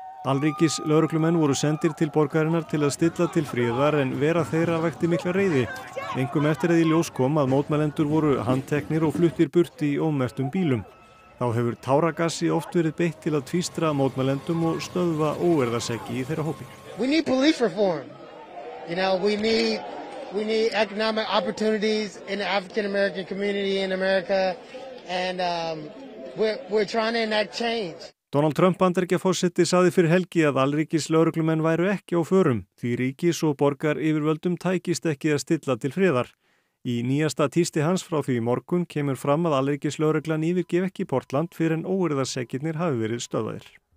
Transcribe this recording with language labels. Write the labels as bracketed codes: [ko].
[is] Alríkis lögreglumenn voru sendir til borgarinnar til að stilla til friðar en vera þeirra vakti mikla reiði. Engum eftir að í ljós kom að mótmælendur voru handteknir og fluttir burt í ómerktum bílum. Þá hefur táragasi oft verið beitt til að tvístra mótmælendum og stöðva óerðaseggi í þeirra hópi. [en] We need police reform. You know, we need economic opportunities in the African American community in America and we're trying to enact change. [is] Donald Trump Bandaríkjaforseti sagði fyrir helgi að alríkis lögreglumenn væru ekki á förum því ríkis og borgar yfirvöldum tækist ekki að stilla til friðar. Í nýjasta tísti hans frá því morgun kemur fram að alríkis lögreglan yfirgef ekki Portland fyrir en óeirðarsekkirnir hafi verið stöðvaðir.